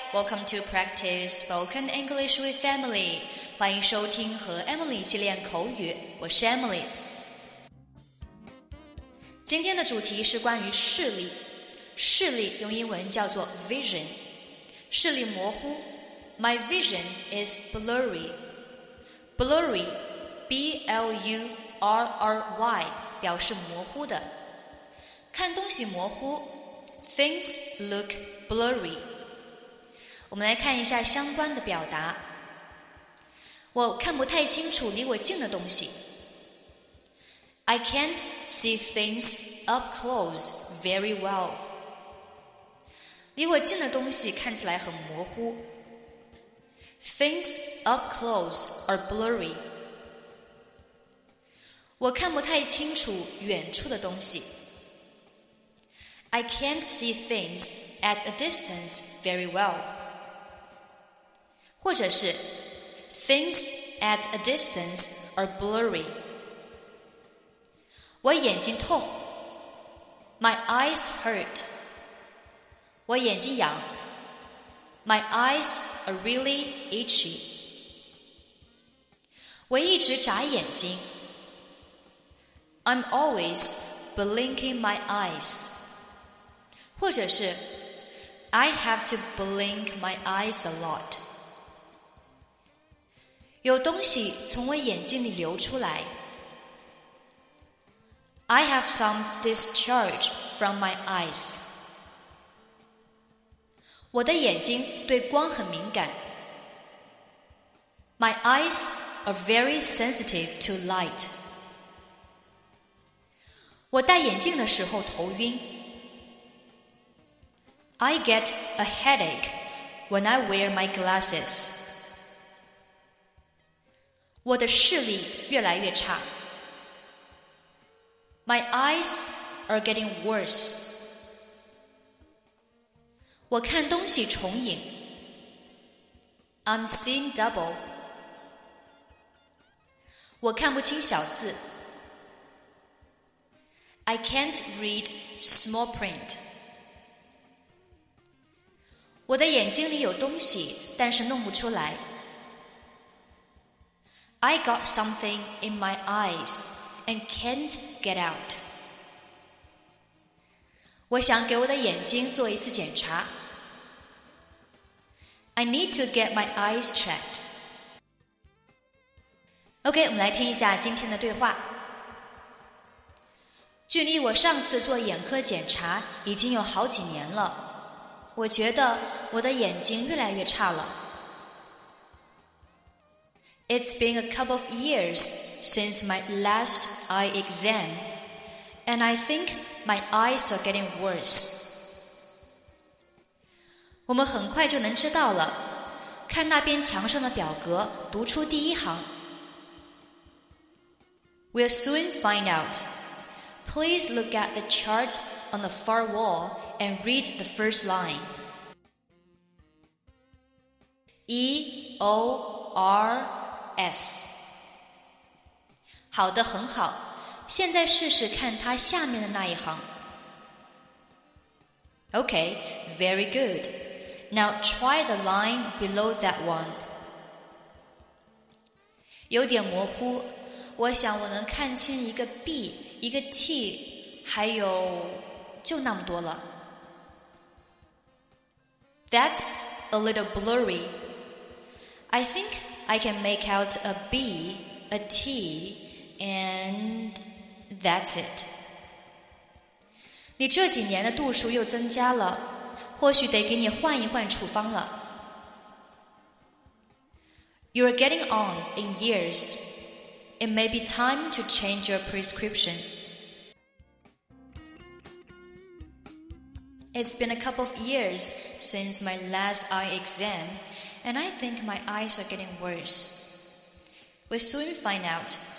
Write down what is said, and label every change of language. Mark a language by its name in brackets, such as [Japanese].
[English] Welcome to Practice Spoken English with Emily. [Chinese] 欢迎收听和 Emily 一起练口语。我是 Emily。今天的主题是关于视力。视力用英文叫做 vision。视力模糊。 [English] My vision is blurry. [Chinese] Blurry, B-L-U-R-R-Y, 表示模糊的。看东西模糊。 [English] Things look blurry. [Chinese] 我们来看一下相关的表达。我看不太清楚离我近的东西。 [English] I can't see things up close very well. [Chinese] 离我近的东西看起来很模糊。 [English] Things up close are blurry. [Chinese] 我看不太清楚远处的东西。 [English] I can't see things at a distance very well. [Chinese] 或者是 [English] Things at a distance are blurry. [Chinese] 我眼睛痛。 [English] My eyes hurt. [Chinese] 我眼睛痒。 [English] My eyes are really itchy. [Chinese] 我一直眨眼睛。 [English] I'm always blinking my eyes. [Chinese] 或者是 [English] I have to blink my eyes a lot. [Chinese] 有东西从我眼睛里流出来。 [English] I have some discharge from my eyes. [Chinese] 我的眼睛对光很敏感。 [English] My eyes are very sensitive to light. [Chinese] 我戴眼镜的时候头晕。 [English] I get a headache when I wear my glasses. [Chinese] 我的视力越来越差。 [English] My eyes are getting worse. [Chinese] 我看东西重影。 [English] I'm seeing double. [Chinese] 我看不清小字。 [English] I can't read small print. [Chinese] 我的眼睛里有东西，但是弄不出来。 [English] I got something in my eyes and can't get out. [Chinese] 我想给我的眼睛做一次检查。 [English] I need to get my eyes checked. [Chinese] OK, 我们来听一下今天的对话。距离我上次做眼科检查已经有好几年了。我觉得我的眼睛越来越差了。 [English] It's been a couple of years since my last eye exam, and I think my eyes are getting worse. [Chinese] 我们很快就能知道了，看那边墙上的表格，读出第一行。 [English] We'll soon find out. Please look at the chart on the far wall and read the first line. [Chinese] E-O-R-S 好的，很好。现在试试看它下面的那一行。 [English] OK, very good. Now try the line below that one. [Chinese] 有点模糊，我想我能看清一个 B, 一个 T, 还有就那么多了。 [English] That's a little blurryI think I can make out a B, a T, and that's it. [Chinese] 你这几年的度数又增加了，或许得给你换一换处方了。 [English] You're getting on in years. It may be time to change your prescription. It's been a couple of years since my last eye exam. And I think my eyes are getting worse. We'll soon find out.